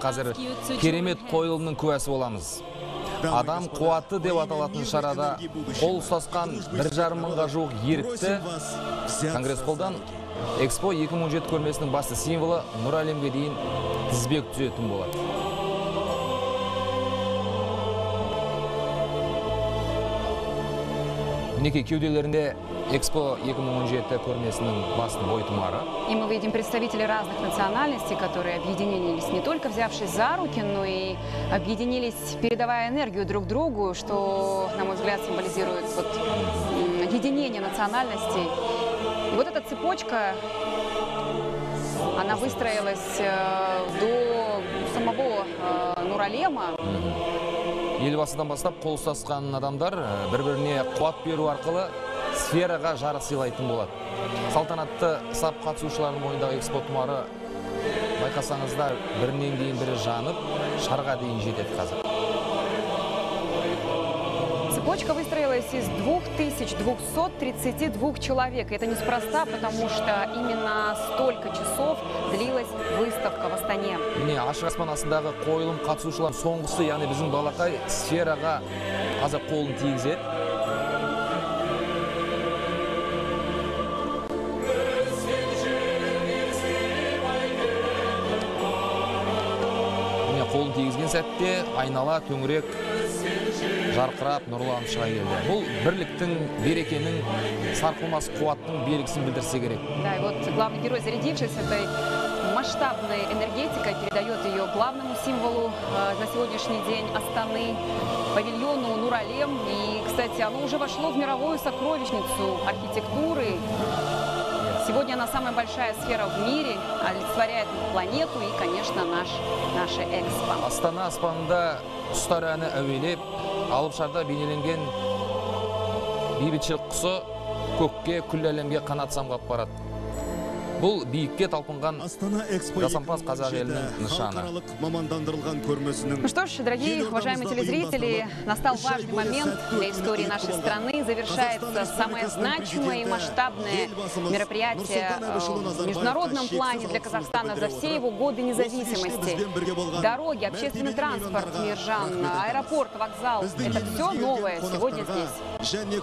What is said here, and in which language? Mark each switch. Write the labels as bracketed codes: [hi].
[kk] Қазір керемет қойылымның куәсі боламыз. Адам қуаты деп аталатын шарада қол ұстасқан 1,5 мыңға жуық ерікті конгресс қолдан Экспо 2017 көрмесінің басты символы Нұр әлемге дейін тізбек түзетін болады. Неке кеуделерінде Экспо 2017 көрмесінің басты бойтұмары. [ru] И мы видим представителей разных национальностей, которые объединились не только взявшись за руки, но и объединились, передавая энергию друг другу, что, на мой взгляд, символизирует вот единение национальностей. И вот эта цепочка, она выстроилась до самого Нуралема. [kk] Елбасыдан бастап қол ұстасқан адамдар бір-біріне қуат беру арқылы сфераға жарық сыйлайтын болады. Салтанатты сап қатысушыларының мойнындағы Экспо тұмары байқасаңыздар бірінен кейін бірі жанып, шарға дейін жетеді қазір. [ru] Цепочка выстроилась из 2232 человек. Это неспроста, потому что именно столько часов длилась выставка в Астане. [kk] Не, ашырасман асындағы койлым қатсушылан соңғысы, яны бізін балақай сфераға аза қолын тигізет. Қолын тегізген сәтте айнала төңірек жарқырап нұрланып шыға келді. Бұл бірліктің, берекенің, сарқылмас қуаттың белгісін білдірсе керек. [ru] Да, вот главный герой, зарядившись этой масштабной энергетикой, передает ее главному символу на сегодняшний день Астаны, павильону Нуралем. И, кстати, оно уже вошло в мировую сокровищницу архитектуры. Сегодня она самая большая сфера в мире, олицетворяет планету и, конечно, наше Экспо. [kk] Астана аспанында ұстар әні әуелеп, алып шарда бейнеленген бейбітшіл құсы көкке, күл әлемге қанат самғап барады. Бұл бейікке талпынған жасампаз қазақ елінің нышаны. [ru] Ну что ж, дорогие, уважаемые телезрители, настал важный момент для истории нашей страны. Завершается самое значимое и масштабное мероприятие в международном плане для Казахстана за все его годы независимости. Дороги, общественный транспорт, Мержан, аэропорт, вокзал – это все новое сегодня здесь.